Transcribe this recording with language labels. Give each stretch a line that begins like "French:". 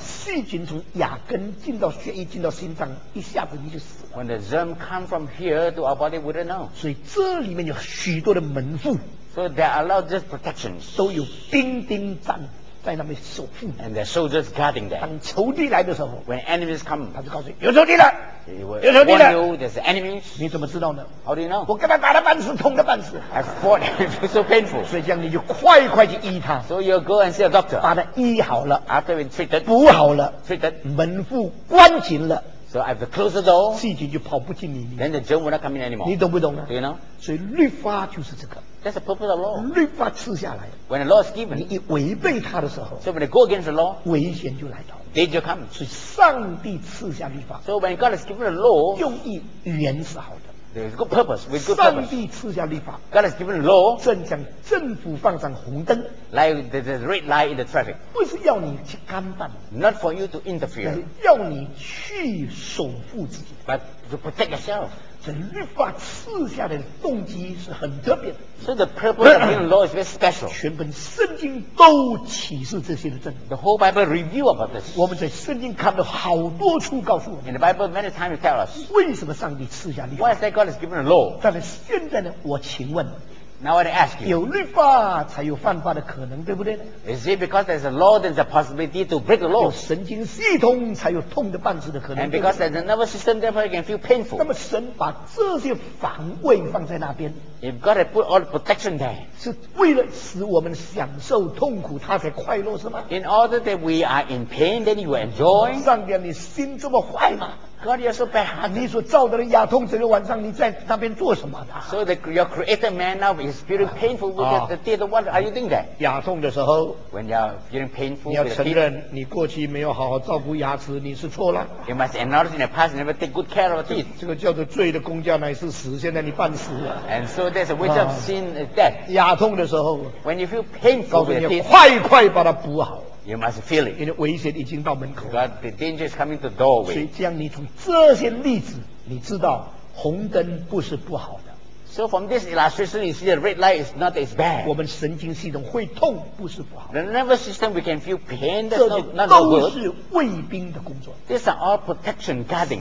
Chinese: 细菌从牙根进到血液进到心脏，一下子你就死了。
English: When the germ come from here to our body, wouldn't know.
Chinese: 所以这里面有许多的门户。
English: So there are a lot of these protections.
Chinese: 都有兵丁站在那边守护。
English: And there are soldiers guarding there.
Chinese: 当仇敌来的时候
English: ，When enemies come,
Chinese: 他就告诉你有仇敌了。有仇敌的
English: you, there's enemies.
Chinese: 你怎么知道呢
English: How do you know?
Chinese: 我跟他打了半死痛的半死
English: I fought it was so painful
Chinese: 所以这样你就快快去医他
English: So you go and see a doctor
Chinese: 把他医好了
English: After we treated
Chinese: 补好了
English: treated
Chinese: 门户关紧了
English: So I have to close the door
Chinese: 细菌就跑不进你
English: Then the germ will not come in anymore
Chinese: 你懂不懂呢
English: Do you know?
Chinese: 所以律法就是这个
English: That's the purpose of law
Chinese: 律法赐下来
English: When the law is given
Chinese: 你一违背他的时候
English: So when you go against the law
Chinese: 危险就来到
English: Danger comes.
Chinese: 所以上帝赐下律法
English: So when God has given the law
Chinese: 用意原是好的
English: There is good purpose with good
Chinese: 上帝赐下律法
English: God has given the law
Chinese: 正像政府放上红灯
English: Like the red light in the traffic
Chinese: 不是要你去干犯
English: Not for you to interfere
Chinese: 要你去守护自己
English: But to protect yourself
Chinese: 这律法赐下的动机是很特别的
English: So the purpose of giving the law is very special
Chinese: 全本圣经都启示这些的真理
English: The whole Bible review about this
Chinese: 我们在圣经看到好多处告诉我们
English: In the Bible many times you tell us
Chinese: 为什么上帝赐下律法
English: Why is that God has given the law
Chinese: 但是现在呢我请问
English: Now I want to ask you
Chinese: 有律法才有犯法的可能对不对
English: Is it because there's a law there's a possibility to break the law
Chinese: 有神经系统才有痛的半死的可能
English: And because there's a nervous system therefore you can feel painful
Chinese: 那么神把这些防卫放在那边
English: If God had put all the protection there
Chinese: 是为了使我们享受痛苦他才快乐是吗
English: In order that we are in pain then you will enjoy
Chinese: 上帝你心这么坏吗
English: God, you're so bad.
Chinese: 你所造的人牙痛整个晚上你在那边做什么的
English: So your created man now is feeling painful with the dead of what are you doing there?
Chinese: 牙痛的时候
English: When you're feeling painful
Chinese: 你要承认你过去没有好好照顾牙齿你是错了
English: You must acknowledge in the past you never take good care of teeth
Chinese: 这个叫做罪的工价乃是死现在你半死了
English: And so there's a wage of sin death
Chinese: 牙痛的时候
English: When you feel painful with teeth
Chinese: 告诉你快快把它补好
English: You must feel it.
Chinese: 因为危险已经到门口。
English: God, the danger is coming to the doorway.
Chinese: 所以这样，你从这些例子，你知道红灯不是不好的。
English: So from this illustration, you see the red light is not as bad.
Chinese: 我们神经系统会痛不是不好。
English: The nervous system we can feel pain.
Chinese: 这都是卫兵的工作。
English: These are all protection guarding.